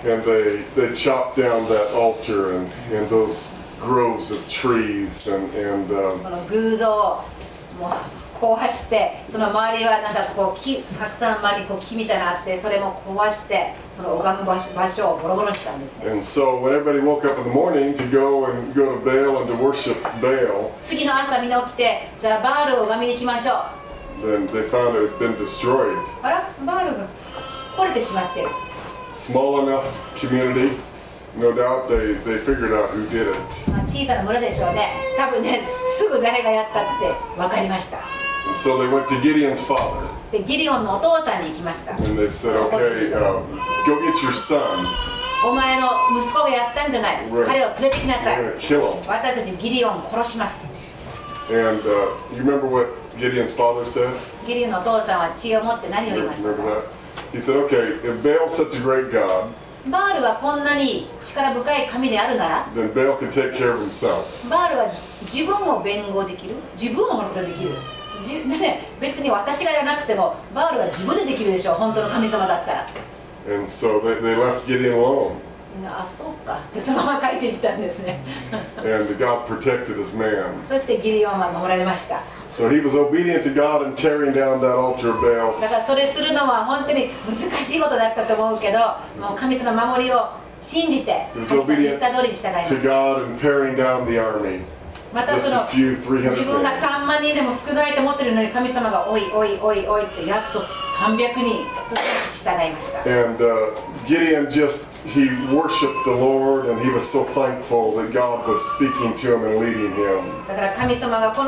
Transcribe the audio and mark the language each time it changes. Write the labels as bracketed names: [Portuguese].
[English] and they chopped down that altar and those groves of trees and [Japanese] その偶像をもう壊して、その周りはなんかこう木たくさん周りこう木みたいなあって、それも壊して、その拝む場所をボロボロにしたんですね。 [English] And so when everybody woke up in the morning to go and go to Baal and to worship Baal, [Japanese] 次の朝みんな起きて、じゃあバールを拝みに行きましょう。 [English] Then they found it had been destroyed. [Japanese] あら、バールが壊れてしまってる。 [English] Small enough community. No doubt they figured out who did it. [Japanese] 小さな村でしょうね。多分ね、すぐ誰がやったって分かりました。 [English] And so they went to Gideon's father. [Japanese] で、ギデオンのお父さんに行きました。 [English] And they said, okay, go get your son. [Japanese] お前の息子がやったんじゃない。彼を連れてきなさい。 [English] Kill him. [Japanese] 私たちギデオン殺します。 [English] And you remember what Gideon's father said? [Japanese] ギデオンのお父さんは血を持って何を言いましたか? [English] He said, okay, if Baal's such a great god, [Japanese] バールはこんなに力深い神であるなら、 [English] Then Baal can take care of himself. [Japanese] バールは自分を弁護できる、自分を守ることができる、ね、別に私がやらなくてもバールは自分でできるでしょう、本当の神様だったら。 [English] And so they left Gideon alone. [Japanese] あ、そうか、でそのまま帰っていったんですね。 [English] And God protected his man. [Japanese] そしてギデオンは守られました。 [English] So he was obedient to God in tearing down that altar of Baal. [Japanese] だからそれするのは本当に難しいことだったと思うけど、もう神様の守りを信じて、神様に言った通りに従いました。 [English] To God in tearing down the army. [Japanese] またその自分が3万人でも少ないと思ってるのに、神様がおいおいおいおいってやっと300人従いました。 [English] AndGideon just, he worshipped the Lord and he was so thankful that God was speaking to him and leading him.